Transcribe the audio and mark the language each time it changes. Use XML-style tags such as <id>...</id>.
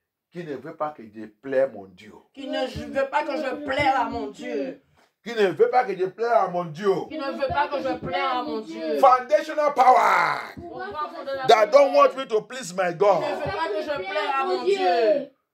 <fr>Qui ne veut pas que je plaise mon Dieu. Qui ne veut pas que je plaise à mon Dieu. Qui ne veut pas que je plaise à mon Dieu. Qui ne veut pas que je plaise à mon Dieu.</fr> <en>Foundational power. That don't want me to please my God.</en> <fr>Qui ne veut pas que je plaise à mon Dieu.</fr>